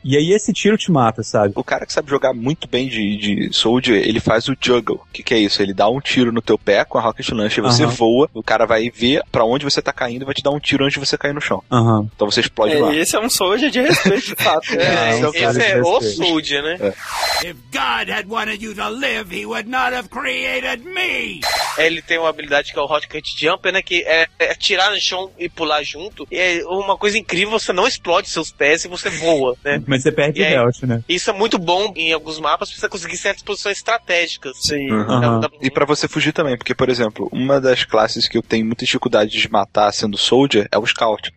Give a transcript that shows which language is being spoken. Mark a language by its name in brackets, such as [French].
[Portuguese] E aí esse tiro te mata, sabe? O cara que sabe jogar muito bem de Soldier, ele faz o juggle. Que é isso? Ele dá um tiro no teu pé com a Rocket Launcher, você voa, o cara vai ver pra onde você tá caindo e vai te dar um tiro antes de você cair no chão. Então você explode lá. Esse é um Soldier de respeito, de fato. Esse é o Soldier, né? [English] If God had wanted you to live, he would not have created me! [Portuguese] Ele tem uma habilidade que é o Rocket Jumper, né? Que é atirar no chão e pular junto. E é uma coisa incrível, você não explode seus pés e você voa, né? Mas você perde health, né? Isso é muito bom em alguns mapas, pra você conseguir certas posições estratégicas. Sim. E pra você fugir também, porque, por exemplo, uma das classes que eu tenho muita dificuldade de matar sendo Soldier é o Scout.